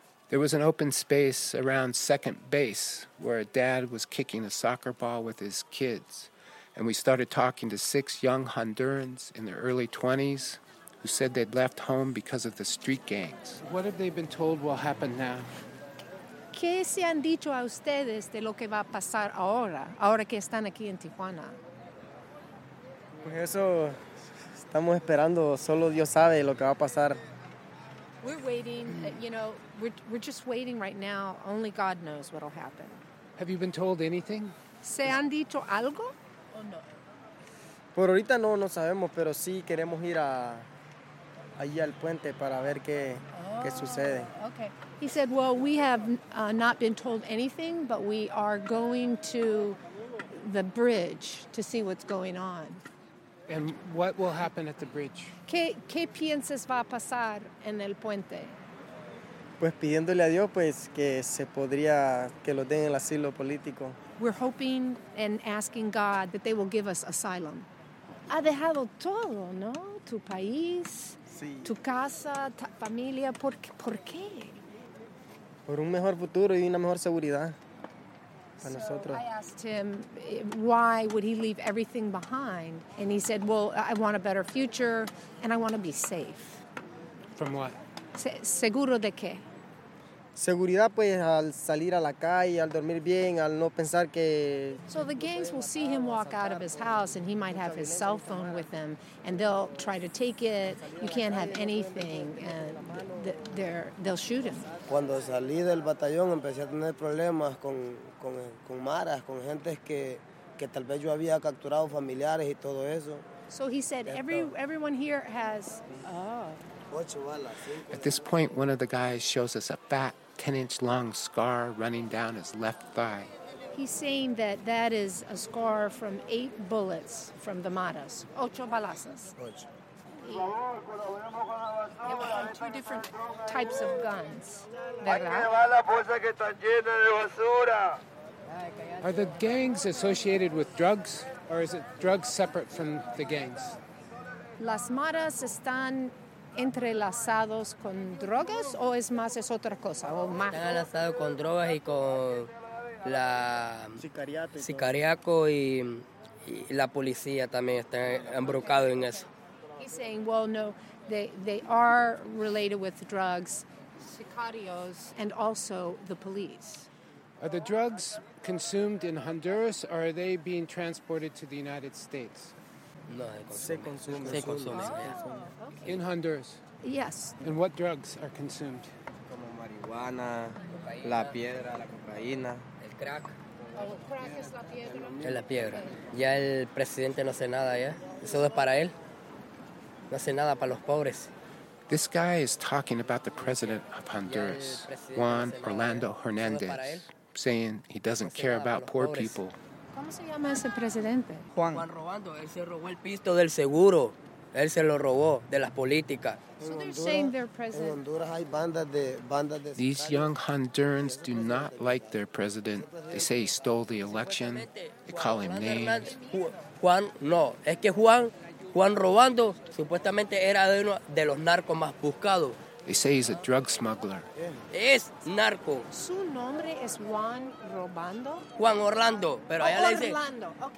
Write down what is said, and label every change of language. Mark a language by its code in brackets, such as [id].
[en] There was an open space around second base where a dad was kicking a soccer ball with his kids, and we started talking to 6 young Hondurans in their early 20s who said they'd left home because of the street gangs. What have they been told will happen now? [es] ¿Qué se han dicho a ustedes de lo que va a pasar ahora, ahora que están aquí en Tijuana? Pues eso, estamos esperando, solo Dios sabe lo que va a pasar. [en] We're waiting, you know, we're just waiting right now. Only God knows what'll happen. Have you been told anything? [es] ¿Se han dicho algo? ¿O no? Por ahorita no, no sabemos, pero sí queremos ir a allí al puente para ver qué, qué sucede. [en] Okay. He said, well, we have not been told anything, but we are going to the bridge to see what's going on. And what will happen at the bridge? [es] ¿Qué piensas va a pasar en el puente? Pues pidiéndole a Dios, pues, que se podría, que lo den el asilo político. [en] We're hoping and asking God that they will give us asylum. [es] Ha dejado todo, ¿no? Tu país, sí. Tu casa, tu familia, ¿por qué? Por un mejor futuro y una mejor seguridad para [en] so [es] nosotros. [en] I asked him, why would he leave everything behind? And he said, well, I want a better future and I want to be safe. From what? [es] ¿Seguro de qué? Seguridad, pues, al salir a la calle, al dormir bien, al no pensar que... [en] So the gangs will see him walk out of his house and he might have his cell phone with him and they'll try to take it. You can't have anything and they'll shoot him. [es] Cuando salí del batallón empecé a tener problemas con maras, con gentes que tal vez yo había capturado familiares y todo eso. [en] So he said everyone here has... Oh. At this point, one of the guys shows us a fat, 10-inch long scar running down his left thigh. He's saying that that is a scar from 8 bullets from the maras. [es] 8 balazos. 8. [en] It was on 2 different types of guns. Are the gangs associated with drugs, or is it drugs separate from the gangs? [es] Las maras están... entrelazados con drogas o es más es otra cosa o más entrelazado con drogas y con la sicariato y la policía también está embrocado en eso. [en] He's saying, well, no, they are related with drugs, sicarios, and also the police. Are the drugs consumed in Honduras or are they being transported to the United States? [es] No, se consume. [en] Oh, okay. In Honduras? Yes. And what drugs are consumed? [es] Como marihuana, cocaína. La piedra, la cocaína. El crack. Crack es la piedra. Es la piedra. Ya el presidente no hace nada, ¿ya? Eso es para él. No hace nada para los pobres. [en] This guy is talking about the president of Honduras, Juan Orlando Hernández, saying he doesn't care about poor people. [es] ¿Cómo se llama ese presidente? Juan. Juan Robando, él se robó el pisto del seguro. Él se lo robó de las políticas. [en] So they're saying they're president. [es] En Honduras hay bandas de [en] These young Hondurans do not like their president. They say he stole the election. They call him names. [es] Juan, no. Es que Juan Robando, supuestamente era uno de los narcos más buscados. [en] They say he's a drug smuggler. [es] Es narco. Su nombre es Juan Robando? Juan Orlando. Pero allá Orlando. Le dice [en] okay.